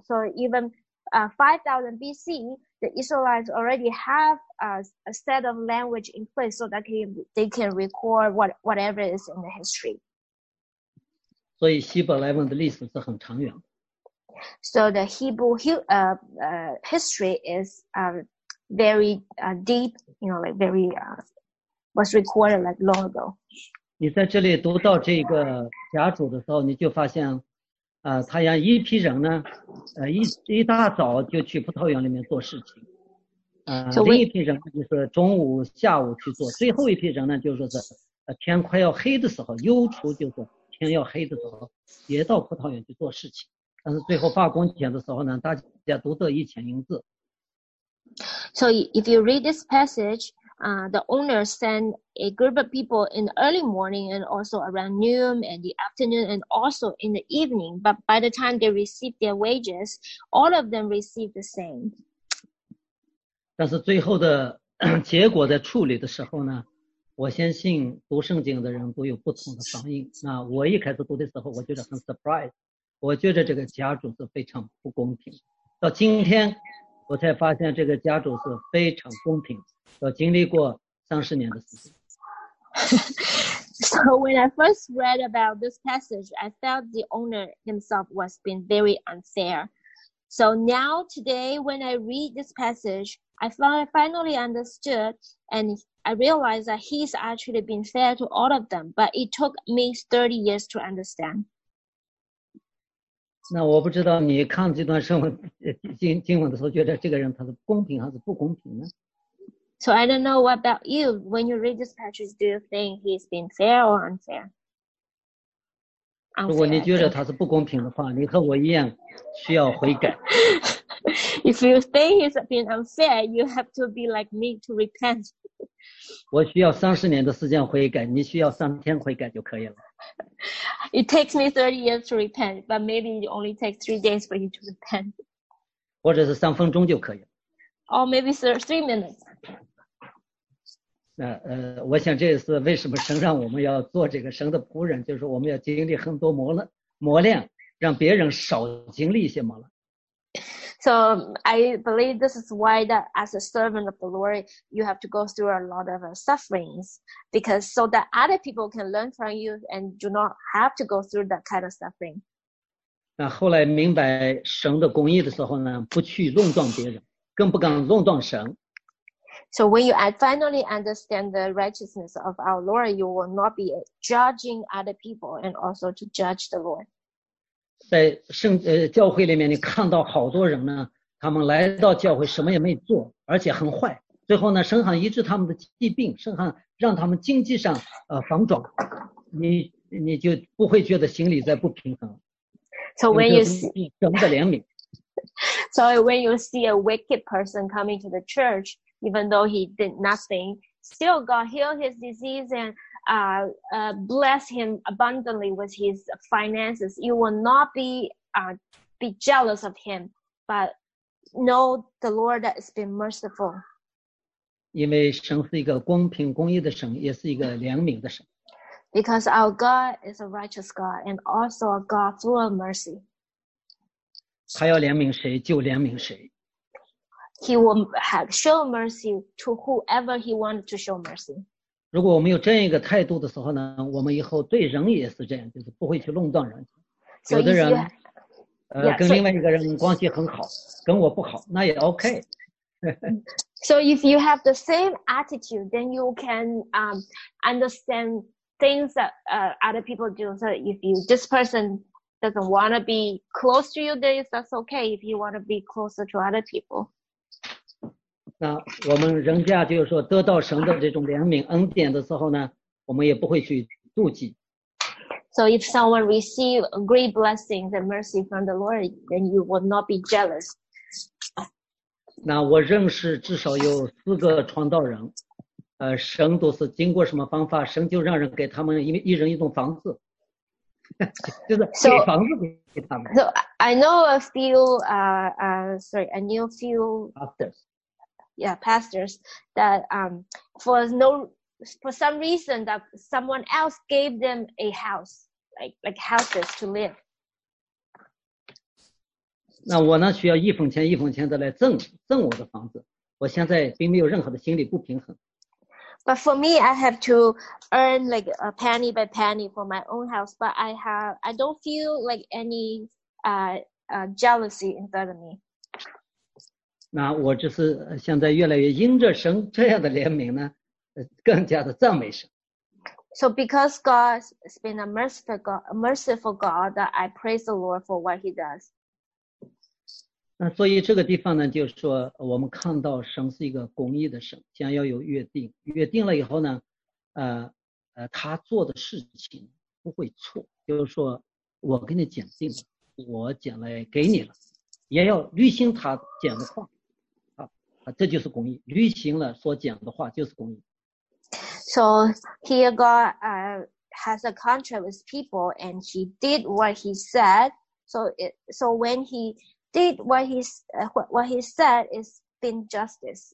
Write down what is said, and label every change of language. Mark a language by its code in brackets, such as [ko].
[en] So even 5000 BC, the Israelites already have a set of language in place so that they can record whatever is in the history. [zh] 所以希伯来文的历史是很长远的。 [en] So the Hebrew history is very deep, you know, like very was recorded like long ago. [zh] 你在这里读到这个甲主的时候，你就发现，他让一批人呢，一大早就去葡萄园里面做事情，另一批人就是中午下午去做，最后一批人呢，就是说是天快要黑的时候，忧愁就是。天要黑的时候也到葡萄园去做事情，但是最后发工钱的时候呢，大家都得一钱银子。 [en] So if you read this passage, the owner sent a group of people in the early morning and also around noon and the afternoon and also in the evening, but by the time they received their wages, all of them received the same. [zh] 但是最后的结果在处理的时候呢，我相信读圣经的人都有不同的反应。那我一开始读的时候，我觉得很 [en] surprise， [zh] 我觉得这个家主是非常不公平。到今天，我才发现这个家主是非常公平。要经历过30年的时间。 [en] So when I first read about this passage, I felt the owner himself was being very unfair. So now today, when I read this passage, I finally understood and. I realized that he's actually been fair to all of them, but it took me 30 years to understand. [zh] 那我不知道你看这段圣文经文的时候，觉得这个人他是公平还是不公平呢？ [en] So I don't know what about you. When you read this passage, do you think he's been fair or unfair? [zh] 如果你觉得他是不公平的话，你和我一样需要悔改。 [en] If you think he's been unfair, you have to be like me to repent. [zh] 我需要30年的时间悔改，你需要3天悔改就可以了。 [en] It takes me 30 years to repent, but maybe it only takes 3 days for you to repent. [zh] 或者是3分钟就可以了。 [en] Or maybe 3 minutes. [zh] 我想这也是为什么神让我们要做这个神的仆人，就是我们要经历很多磨练，让别人少经历一些磨练。 [en] So I believe this is why that as a servant of the Lord, you have to go through a lot of sufferings because so that other people can learn from you and do not have to go through that kind of suffering. [zh] 那后来明白神的公义的时候呢，不去弄撞别人，更不敢弄撞神。 [en] So when you finally understand the righteousness of our Lord, you will not be judging other people and also to judge the Lord. [zh] 在教会里面，你看到好多人呢，他们来到教会什么也没做，而且很坏。最后呢，神好像医治他们的疾病，神好像让他们经济上反转，你就不会觉得心里在不平衡。 [en] So when you see [zh] 神的怜悯 [en] ，So when you see a wicked person coming to the church, even though he did nothing, still God healed his disease and. Bless him abundantly with his finances. You will not be jealous of him, but know the Lord that has been merciful. [zh] 因为神是一个公平公义的神，也是一个怜悯的神。 [en] Because our God is a righteous God and also a God full of mercy. [zh] 他要怜悯谁就怜悯谁。 [en] He will show mercy to whoever he wants to show mercy. [zh] 如果我们有这样一个态度的时候呢，我们以后对人也是这样，就是不会去弄断人。有的人跟另外一个人关系很好，跟我不好，那也 OK。 [en] So if you have the same attitude, then you can understand things that other people do. So if you, this person doesn't want to be close to you, then that's okay if you want to be closer to other people. [zh] 那我们人家就是说得到神的这种怜悯恩典的时候呢，我们也不会去妒忌。 [en] So if someone receives a great blessing and mercy from the Lord, then you will not be jealous. [zh] 那我认识至少有四个传道人，神都是经过什么方法，神就让人给他们一人一栋房子，就是给房子给他们。 [en] So I know a few, sorry, I knew a few pastors, yeah, pastors that for some reason that someone else gave them a house, like houses to live. [zh] 那我呢需要一分钱一分钱的来挣我的房子，我现在并没有任何的心理不平衡。 [en] But for me, I have to earn like a penny by penny for my own house, but I don't feel like any jealousy inside of me. [zh] 那我就是现在越来越因着神这样的怜悯呢，更加的赞美神。 [en] So because God's been a merciful God, that I praise the Lord for what he does. [zh] 那所以这个地方呢，就是说我们看到神是一个公义的神，将要有约定，约定了以后呢，他做的事情不会错，就是说我给你拣定了，我拣来给你了，也要履行他拣的话，这就是公义，履行了所拣的话就是公义。 [en] So here God has a contract with people, and he did what he said. So when he did what he said is been justice.